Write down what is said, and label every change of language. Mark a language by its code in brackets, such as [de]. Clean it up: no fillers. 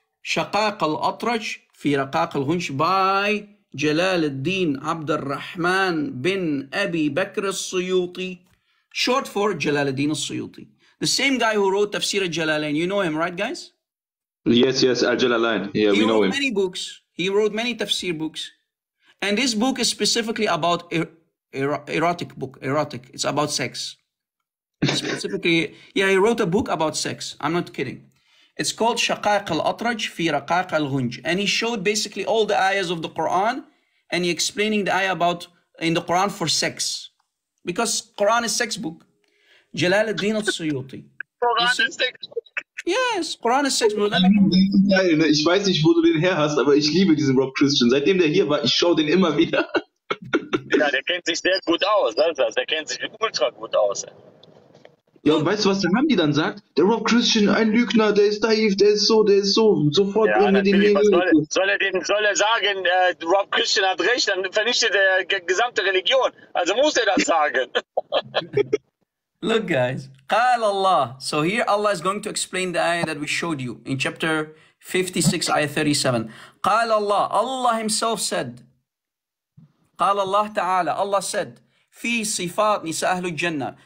[ar] شقاق الأطرج في رقاق الهنش by جلال الدين عبد الرحمن بن أبي بكر السيوطي. [en] Short for جلال الدين السيوطي. The same guy who wrote Tafsir al-Jalalain. You know him, right, guys? Yes, yes, al-Jalalain. Yeah, he we know him. He wrote many books. He wrote many Tafsir books. And this book is specifically about erotic book. Erotic. It's about sex. Specifically, yeah, he wrote a book about sex. I'm not kidding. It's called Shaqaq al-Atraj fi Raqaq al-Ghunj. And he showed basically all the ayahs of the Quran. And he explaining the ayah about in the Quran for sex. Because Quran is sex book. Jalal al-Din al-Suyuti. Quran is sex. Yes, Quran is [de] sex. Ich weiß nicht, wo du den her hast, aber ich liebe diesen Rob Christian. Seitdem der hier war, ich schaue den immer wieder. Ja, der kennt sich sehr gut aus. Also. Der kennt sich ultra gut aus. Ja, und weißt du, was der Mami dann sagt? Der Rob Christian, ein Lügner, der ist daiv, der ist so. Und sofort ja, bringen wir den Leben. Soll er sagen, Rob Christian hat recht, dann vernichtet er die gesamte Religion. Also muss er das sagen. [en] Look, guys. قال الله. So here Allah is going to explain the ayah that we showed you in chapter 56, ayah 37. قال الله. Allah himself said. قال الله تعالى. Allah said. [ar] في صفات نساء أهل الجنة.